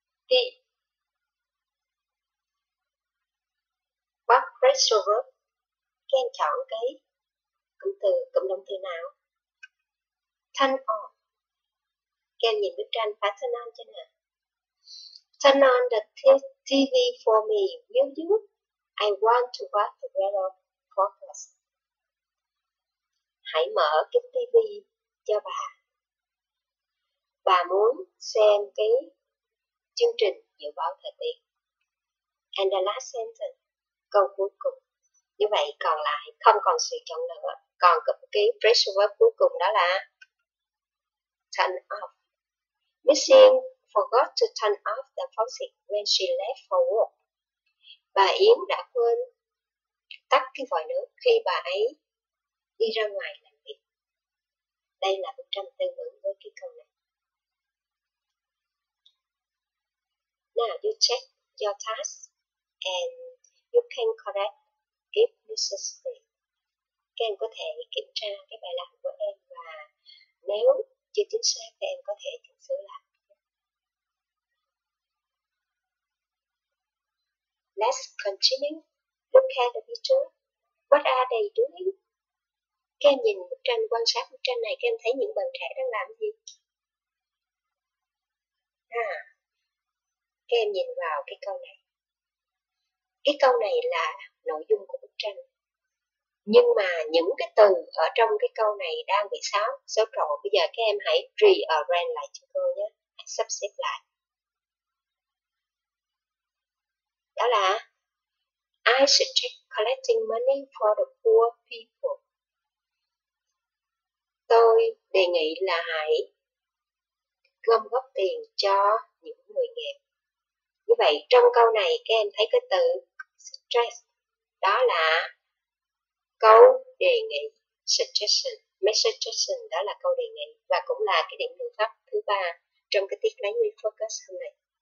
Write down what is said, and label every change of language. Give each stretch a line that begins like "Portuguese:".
English: D. What phrasal verb?
Vietnamese: Các em chọn cái cụm từ, cụm động từ nào? Turn on. Can nhìn bức tranh phải turn on cho nè.
English: Turn on the TV for me, will you? I want to watch the weather forecast.
Vietnamese: Hãy mở cái TV cho bà. Bà muốn xem cái chương trình dự báo thời tiết.
English: And the last sentence,
Vietnamese: câu cuối cùng. Như vậy còn lại không còn sự chọn lựa. Còn cái phrase verb cuối cùng đó là turn off.
English: Miss Yen forgot to turn off the faucet when she left for work.
Vietnamese: Bà Yến đã quên tắt cái vòi nước khi bà ấy đi ra ngoài làm việc. Đây là bức tranh tương ứng với cái câu này.
English: Now you check your task and you can correct, if necessary.
Vietnamese: Em có thể kiểm tra cái bài làm của em và nếu chưa chính xác thì em có thể chỉnh sửa lại.
English: Let's continue. Look at the picture. What are they doing?
Vietnamese: Em nhìn bức tranh, quan sát bức tranh này, em thấy những bạn trẻ đang làm gì? À, em nhìn vào cái câu này. Cái câu này là nội dung của bức tranh. Nhưng mà những cái từ ở trong cái câu này đang bị xáo trộn. Bây giờ các em hãy rearrange lại cho tôi nhé. Hãy sắp xếp lại. Đó là
English: I suggest collecting money for the poor people.
Vietnamese: Tôi đề nghị là hãy gom góp tiền cho những người nghèo. Như vậy trong câu này các em thấy cái từ suggest đó là câu đề nghị, suggestion,
English: my suggestion
Vietnamese: đó là câu đề nghị và cũng là cái định ngữ pháp thứ ba trong cái tiết lấy nguyên focus hôm nay.